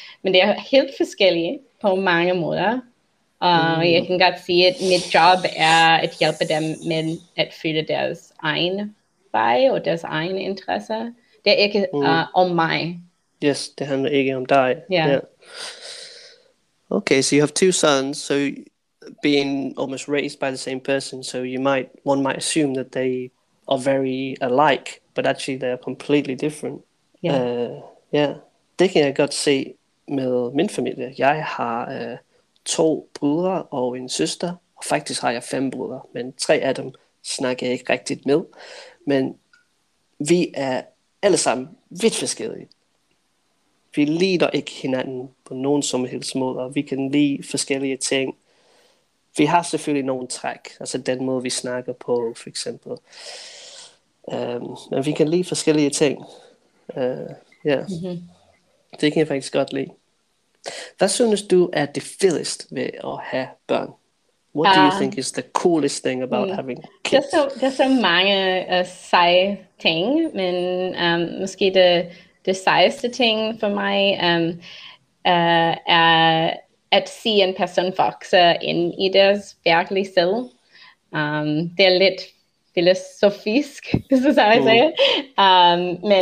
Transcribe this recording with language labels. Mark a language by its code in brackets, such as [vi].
[da] Men det er helt forskelligt på mange måder. Jeg kan godt sige, at mit job er at hjælpe dem med at fylde deres egen vej og deres egen interesse. Det er ikke om mig. Yes, det handler ikke om dig. [en] Yeah. Yeah. Okay, so you have two sons, so being almost raised by the same person, so one might assume that they are very alike, but actually they are completely different. Yeah. [da] Det kan jeg godt se med min familie. Jeg har to brødre og en søster, og faktisk har jeg fem brødre, men tre af dem snakker jeg ikke rigtigt med. Men vi er alle sammen vidt forskellige. Vi lider ikke hinanden på nogen som helst måde, og vi kan lide forskellige ting. Vi har selvfølgelig nogle træk, altså den måde, vi snakker på, for eksempel. Men vi kan lide forskellige ting. Mm-hmm. Det kan jeg faktisk godt lide. Hvad synes du er det fedeste ved at have børn? [en] What do you think is the coolest thing about having kids? [da] Der er så mange seje ting, men måske det sejeste ting for mig er at se en person vokse ind i deres virkelige selv. Det er lidt filosofisk, så skal jeg sige.